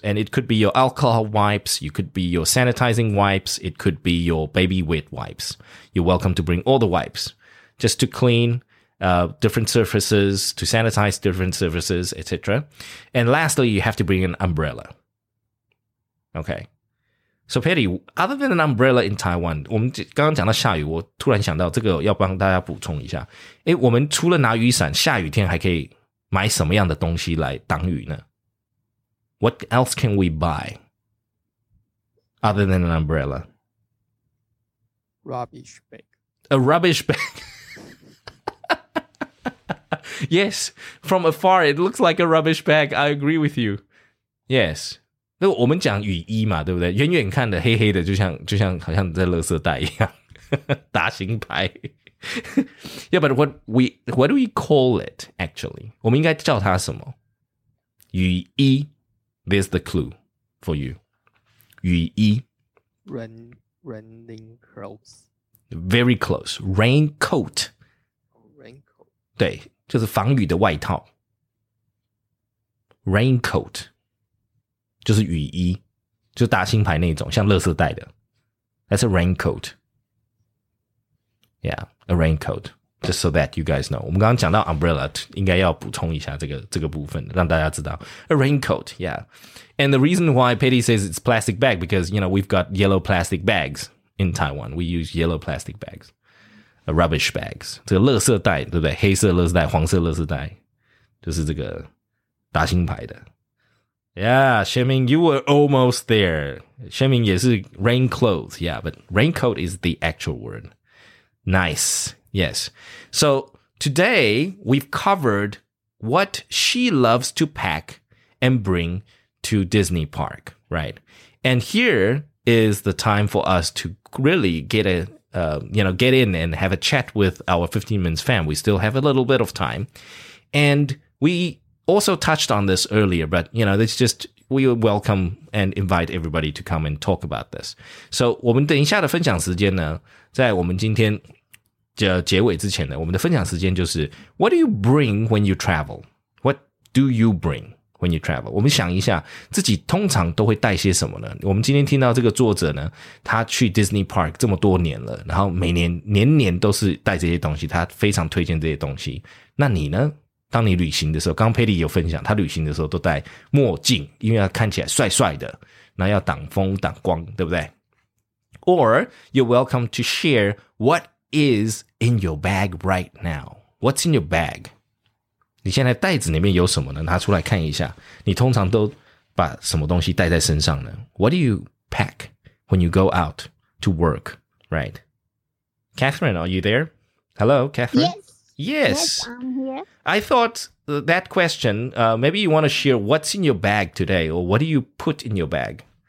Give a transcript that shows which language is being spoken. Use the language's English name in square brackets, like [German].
[English] And it could be your alcohol wipes. You could be your sanitizing wipes. It could be your baby wet wipes. You're welcome to bring all the wipes just to clean different surfaces, to sanitize different surfaces, etc. And lastly, you have to bring an umbrella. Okay. So, Patty, other than an umbrella in Taiwan, [Chinese] 我们刚刚讲到下雨，我突然想到这个要帮大家补充一下。诶，我们除了拿雨伞，下雨天还可以买什么样的东西来挡雨呢？ [English] What else can we buy other than an umbrella? Rubbish bag. A rubbish bag. Yes, from afar, it looks like a rubbish bag. I agree with you. Yes. [Chinese] 那我们讲雨衣嘛，对不对？远远看的黑黑的，就像好像在垃圾袋一样。打星牌。 [English] Yeah, but what do we call it, actually? [Chinese] 我们应该叫它什么？雨衣。 [English] There's the clue for you. [Chinese] 雨衣。 [English] Raining clothes. Very close. Raincoat. Raincoat. [Chinese] 对，就是防雨的外套。Raincoat. 就是雨衣。就是打星牌那种，像垃圾袋的。 [English] That's a raincoat. Yeah. A raincoat, just so that you guys know. [Chinese] 我们刚刚讲到 umbrella, 应该要补充一下这个部分，让大家知道。 [English] A raincoat, yeah. And the reason why Patty says it's plastic bag, because, you know, we've got yellow plastic bags in Taiwan. We use yellow plastic bags. Rubbish bags. [Chinese] 这个垃圾袋，对不对？黑色垃圾袋，黄色垃圾袋，就是这个打星牌的。 [English] Yeah, Xianming, you were almost there. Xianming 也是 rain clothes, yeah, but raincoat is the actual word. Nice, yes. So today we've covered what she loves to pack and bring to Disney Park, right? And here is the time for us to really get a,get in and have a chat with our 15 Minutes fam. We still have a little bit of time. And we also touched on this earlier, but, you know, it's just... We welcome and invite everybody to come and talk about this. [Chinese] So, 我们等一下的分享时间呢，在我们今天结尾之前呢，我们的分享时间就是 [English] What do you bring when you travel? What do you bring when you travel? [Chinese] 我们想一下自己通常都会带些什么呢？我们今天听到这个作者呢，他去 Disney Park 这么多年了，然后每年年年都是带这些东西，他非常推荐这些东西。那你呢？当你旅行的时候，刚佩蒂有分享，他旅行的时候都戴墨镜，因为要看起来帅帅的，那要挡风挡光，对不对 ？ [English] Or you're welcome to share what is in your bag right now. What's in your bag? [Chinese] 你现在袋子里面有什么呢？拿出来看一下。你通常都把什么东西带在身上呢 [English] ？What do you pack when you go out to work? Right? Catherine, are you there? Hello, Catherine. Yes. Yes, I'm here. I thought that question, maybe you want to share what's in your bag today or what do you put in your bag?